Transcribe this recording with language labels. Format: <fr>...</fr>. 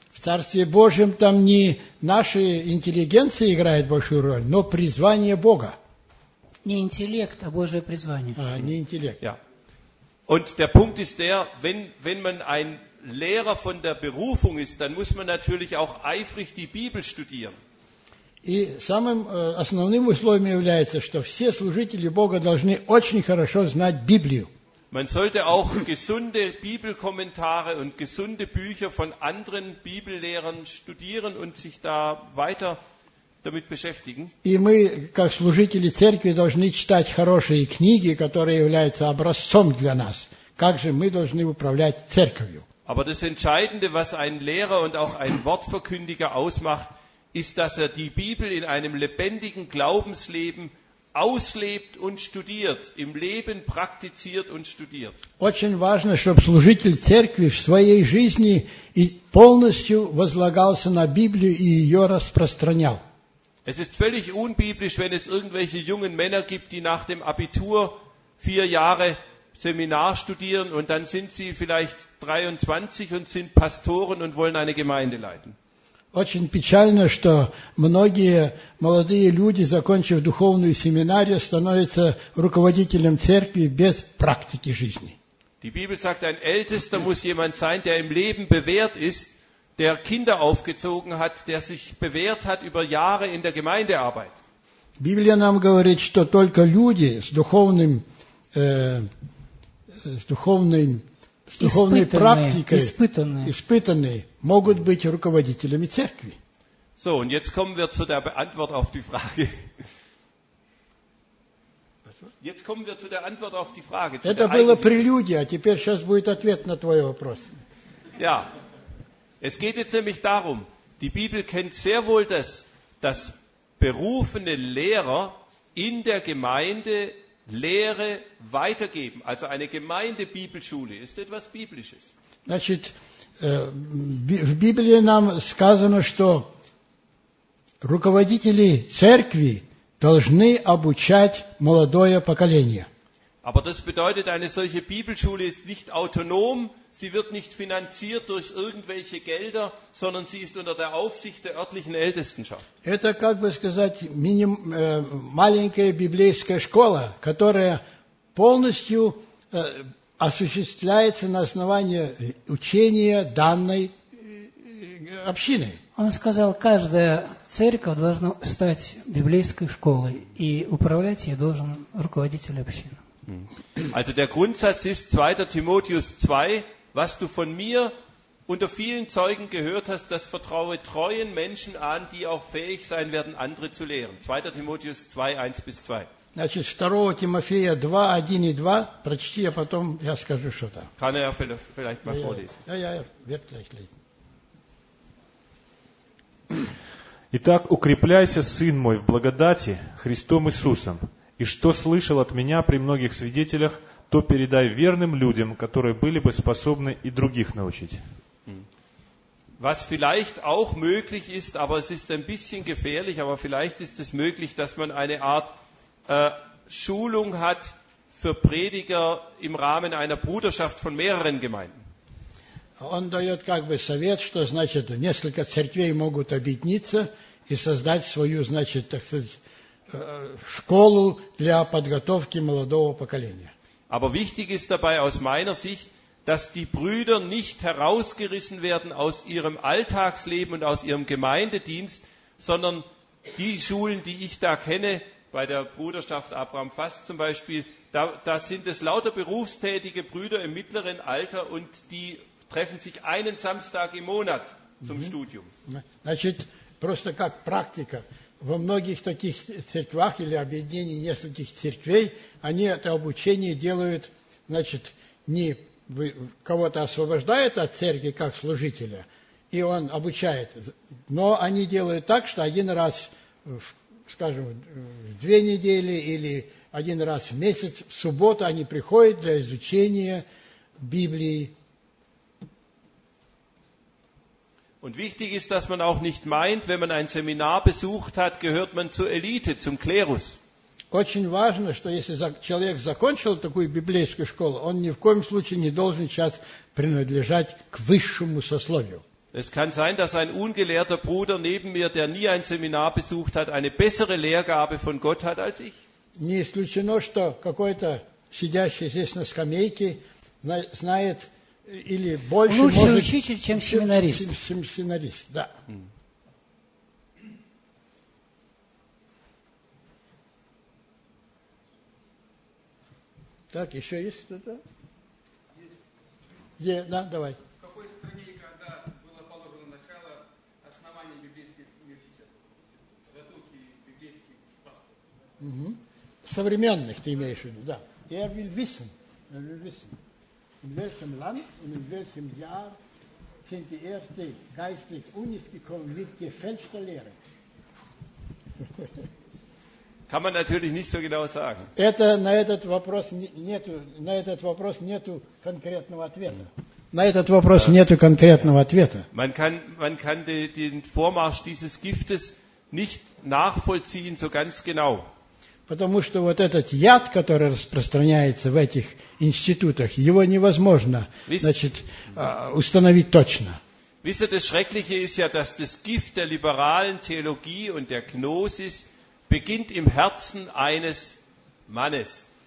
<ru>В Царстве Божьем там не наша интеллигенция играет большую роль, но призвание Бога. Не интеллект, а Божие призвание. А, не интеллект.</ru> <de>Ja. Und der Punkt ist der, wenn man ein Lehrer von der Berufung ist, dann muss man natürlich auch eifrig die Bibel studieren.</de> <ru>И самым основным условием является, что все служители Бога должны очень хорошо знать Библию.</ru> <de>Man sollte auch gesunde Bibelkommentare und gesunde Bücher von anderen Bibellehrern studieren und sich da weiter damit beschäftigen.</de> <ru>И мы, как служители церкви, должны читать хорошие книги, которые являются образцом для нас. Как же мы должны управлять церковью?</ru> <de>Aber das Entscheidende, was ein Lehrer und auch ein Wortverkündiger ausmacht, ist, dass er die Bibel in einem lebendigen Glaubensleben auslebt und studiert, im Leben praktiziert und studiert.</de> <ru>Очень важно, чтобы служитель церкви в своей жизни и полностью возлагался на Библию и ее распространял.</ru> <de>Es ist völlig unbiblisch, wenn es irgendwelche jungen Männer gibt, die nach dem Abitur 4 Jahre Seminar studieren und dann sind sie vielleicht 23 und sind Pastoren und wollen eine Gemeinde leiten.</de> <ru>Очень печально, что многие молодые люди, закончив духовную семинарию, становятся руководителем церкви без практики жизни.</ru> <de>Die Bibel sagt, ein Ältester muss jemand sein, der im Leben bewährt ist, der Kinder aufgezogen hat, der sich bewährt hat über Jahre in der Gemeindearbeit.</de> <ru>Библия нам говорит, что только люди с духовным с духовной практикой, испытанные, могут быть руководителями церкви.</ru> <de>So, und jetzt kommen wir zu der Antwort auf die Frage. Jetzt kommen wir zu der Antwort auf die Frage.</de> <ru>Это было прелюдия, а теперь сейчас будет ответ на твой вопрос.</ru> <de>Ja, es geht jetzt nämlich darum, die Bibel kennt sehr wohl das, dass berufene Lehrer in der Gemeinde Lehre weitergeben, also eine Gemeindebibelschule, ist etwas Biblisches.</de> <ru>Значит, в Библии нам сказано, что руководители церкви должны обучать молодое поколение.</ru> <de>Aber das bedeutet, eine solche Bibelschule ist nicht autonom, sie wird nicht finanziert durch irgendwelche Gelder, sondern sie ist unter der Aufsicht der örtlichen Ältestenschaft.</de> <ru>Это, как бы сказать, маленькая библейская школа, которая полностью осуществляется на основании учения данной общины. Он сказал, каждая церковь должна стать библейской школой, и управлять ей должен руководитель общины.</ru> <de>Also der Grundsatz ist 2. Timotheus 2, was du von mir unter vielen Zeugen gehört hast, das vertraue treuen Menschen an, die auch fähig sein werden, andere zu lehren. 2. Timotheus 2, 1-2.</de> <ru>Значит, 2. Тимофея 2, 1 и 2, прочти, а потом я скажу, что там.</ru> <de>Kann er vielleicht mal vorlesen. Ja, wird gleich lesen.</de> <ru>Итак, укрепляйся, сын мой, в благодати Христом Иисусом. И что слышал от меня при многих свидетелях, то передай верным людям, которые были бы способны и других научить.</ru> <de>Was vielleicht auch möglich ist, aber es ist ein bisschen gefährlich, aber vielleicht ist es möglich, dass man eine Art Schulung hat für Prediger im Rahmen einer Bruderschaft von mehreren Gemeinden.</de> <ru>Он дает как бы совет, что значит несколько церквей могут объединиться и создать свою, значит, так сказать, школу для подготовки молодого поколения.</ru> <de>Aber wichtig ist dabei aus meiner Sicht, dass die Brüder nicht herausgerissen werden aus ihrem Alltagsleben und aus ihrem Gemeindedienst, sondern die Schulen, die ich da kenne, bei der Bruderschaft Abraham Fast zum Beispiel, da sind es lauter berufstätige Brüder im mittleren Alter und die treffen sich einen Samstag im Monat zum Studium.</de> <ru>Значит, просто как практика. Во многих таких церквях или объединении нескольких церквей они это обучение делают, значит, не кого-то освобождают от церкви как служителя, и он обучает. Но они делают так, что один раз, скажем, в две недели или один раз в месяц, в субботу они приходят для изучения Библии.</ru> <de>Und wichtig ist, dass man auch nicht meint, wenn man ein Seminar besucht hat, gehört man zur Elite, zum Klerus.</de> <ru>Очень важно, что если человек закончил такую библейскую школу, он ни в коем случае не должен сейчас принадлежать к высшему сословию.</ru> <de>Es kann sein, dass ein ungelehrter Bruder neben mir, der nie ein Seminar besucht hat, eine bessere Lehrgabe von Gott hat als ich.</de> <ru>Не исключено, что какой-то сидящий здесь на скамейке знает или больше, лучше может, учитель, чем семинарист. Семинарист, да. Так, еще есть что-то? Есть. Yeah, да, давай. В какой стране и когда было положено начало основания библейских университетов? Готовки библейских пасторов? Угу. Современных ты имеешь в виду, да.</ru> <de>Я will wissen. Я will wissen. In welchem Land und in welchem Jahr sind die ersten geistlichen Unis gekommen mit gefälschter Lehre? Kann man natürlich nicht so genau sagen.</de> <ru>Это, на этот вопрос нету, на этот вопрос нету конкретного ответа. На этот вопрос нету конкретного ответа.</ru> <de>Man kann den Vormarsch dieses Giftes nicht nachvollziehen so ganz genau.</de> <ru>Потому что вот этот яд, который распространяется в этих институтах, его невозможно, значит, установить точно.</ru> <de>Wisst ihr, das Schreckliche ist ja, dass das Gift der liberalen Theologie und der Gnosis beginnt im Herzen eines Mannes.</de>